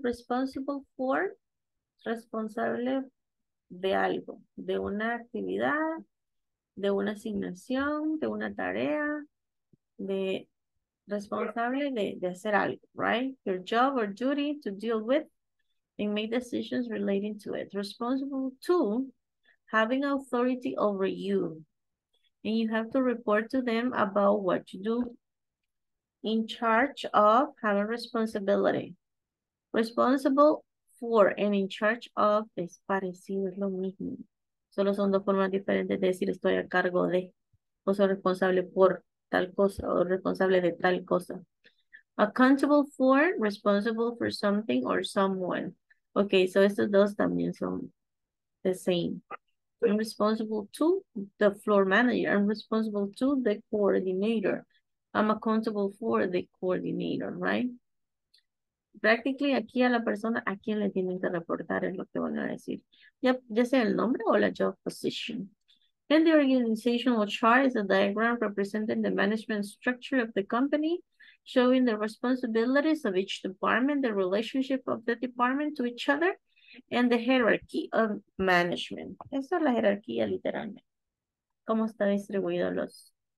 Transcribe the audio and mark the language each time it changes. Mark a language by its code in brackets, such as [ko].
[en] Responsible for, [es] responsable de algo, de una actividad, de una asignación, de una tarea, de responsable de hacer algo, right? [en] Your job or duty to deal with and make decisions relating to it. Responsible to, having authority over you. And you have to report to them about what you do. In charge of, having responsibility. Responsible for and in charge of, [es] es parecido, es lo mismo. Solo son dos formas diferentes de decir estoy a cargo de, o soy responsable por tal cosa, o responsable de tal cosa. [en] Accountable for, responsible for something or someone. Okay, so [es] estos dos también son [en] the same. I'm responsible to the floor manager. I'm responsible to the coordinator. I'm accountable for the coordinator, right? Practically, [es] aquí a la persona, a quien le tienen que reportar es lo que van a decir. Ya sea el nombre o la job position. [en] In the organizational chart is a diagram representing the management structure of the company, showing the responsibilities of each department, the relationship of the department to each other, and the hierarchy of management. [es] Eso es la jerarquía, literalmente. Cómo están distribuidos los...